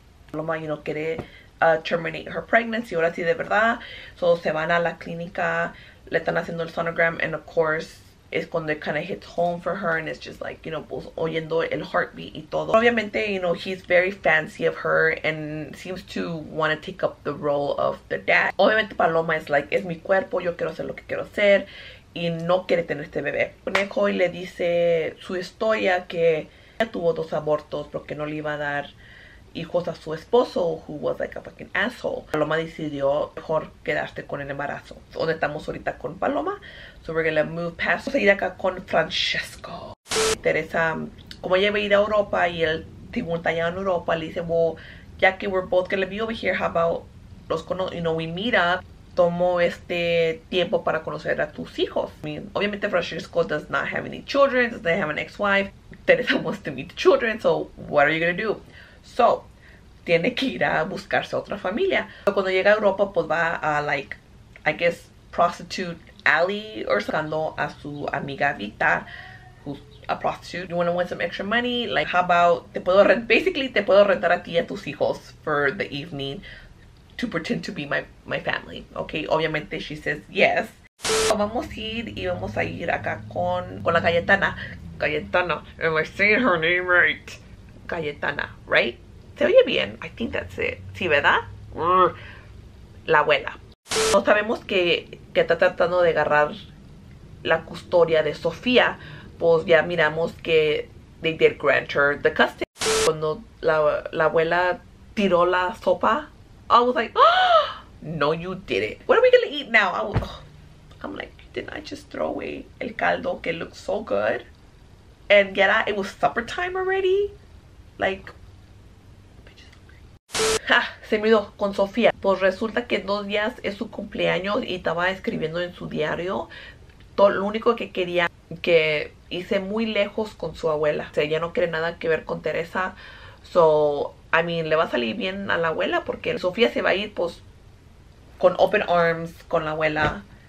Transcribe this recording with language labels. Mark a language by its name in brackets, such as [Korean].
[Spanish] Paloma, [English] you know, [Spanish] quiere [English] terminate her pregnancy, [Spanish] ahora sí de verdad. [English] So, [Spanish] se van a la clínica, le están haciendo el [English] sonogram and of course, [Spanish] es cuando [English] it kind of hits home for her and it's just like, you know, [Spanish] pues oyendo el [English] heartbeat [Spanish] y todo. Obviamente, [English] you know, he's very fancy of her and seems to want to take up the role of the dad. [Spanish] Obviamente Paloma es like, es mi cuerpo, yo quiero hacer lo que quiero hacer y no quiere tener este bebé. Conejo y le dice su historia que ya tuvo 2 abortos porque no le iba a dar hijos a su esposo, [English] who was like a fucking asshole. [Spanish] Paloma decidió mejor quedarse con el embarazo. ¿Dónde estamos ahorita con Paloma? [English] So we're gonna move past. [Spanish] Vamos a ir acá con Francesco. Teresa, como ella iba a ir a Europa y el tiburón está allá en Europa, le dice, well, ya que [English] we're both gonna be over here, how about [Spanish] los conozco, [English] you know, we meet up. [Spanish] Tomo este tiempo para conocer a tus hijos. [English] I mean, [Spanish] obviamente [English] Francesco does not have any children, does not have an ex-wife. Teresa wants to meet the children, so what are you gonna do? [Spanish] So, tiene que ir a buscarse otra familia. Pero cuando llega a Europa, pues va a, [English] like, I guess, prostitute alley [Spanish] or sacando a su amiga Vita, [English] who's a prostitute. You wanna win some extra money? Like, how about, [Spanish] te puedo [English] rent, basically, [Spanish] te puedo rentar a ti y a tus hijos [English] for the evening to pretend to be my family. Okay, obviamente, she says yes. [Spanish] Vamos a ir y vamos a ir acá con la Cayetana. Cayetana. [English] Am I saying her name right? [Spanish] Cayetana, [English] right? [Spanish] Se oye bien. [English] I think that's it. [Spanish] Sí, ¿verdad? La abuela. No sabemos que está tratando de agarrar la custodia de Sofía. Pues ya miramos que [English] they did grant her the custody. [Spanish] Cuando la abuela tiró la sopa, [English] I was like, oh, no, you did it. What are we gonna eat now? I'm like, didn't I just throw away [Spanish] el caldo que [English] looks so good? And get out, it was supper time already. [Spanish] Like, ja, se me olvidó con Sofía. Pues resulta que 2 días es su cumpleaños y estaba escribiendo en su diario todo lo único que quería, que hice muy lejos con su abuela. O sea, ella no quiere nada que ver con Teresa. [English] So, I mean, [Spanish] le va a salir bien a la abuela porque Sofía se va a ir, pues, con [English] open arms [Spanish] con la abuela.